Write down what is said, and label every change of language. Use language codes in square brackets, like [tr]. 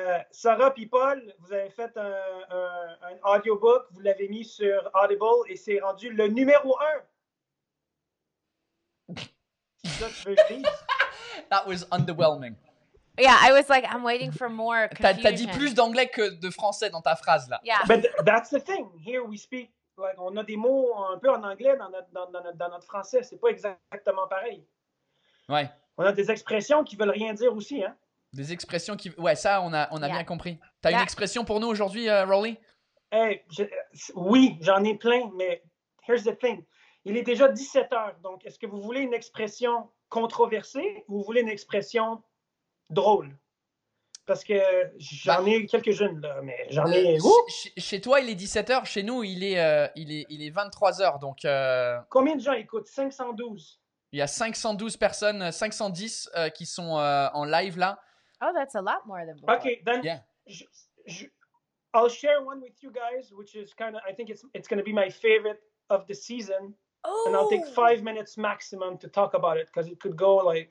[fr] Sarah puis Paul, vous avez fait un audiobook, vous l'avez mis sur Audible et c'est rendu le numéro un. C'est ça que je dis. [en] That was underwhelming. Yeah, I was like, I'm waiting for more confusion. [fr] T'as dit plus d'anglais que de français dans ta phrase, là. [en] Yeah. But that's the thing, here we speak. [fr] Like, on a des mots un peu en anglais dans notre français. C'est pas exactement pareil. Ouais. On a des expressions qui veulent rien dire aussi, hein? Des expressions qui... Ouais, ça, on a yeah. bien compris. T'as yeah. une expression pour nous aujourd'hui, Rolly? Hey, oui, j'en ai plein, mais [en] here's the thing. [fr] Il est déjà 17 heures, donc est-ce que vous voulez une expression controversée ou vous voulez une expression drôle? Parce que j'en ai quelques-unes, là, mais j'en ai... Chez toi, il est 17h. Chez nous, il est 23h, donc... Combien de gens écoutent? 512. Il y a 512 personnes, 510 qui sont en live, là. [en] Oh, that's a lot more than before. Okay, then... Yeah. I'll share one with you guys, which is kind of... I think it's going to be my favorite of the season. Oh! And I'll take 5 minutes maximum to talk about it, because it could go, like...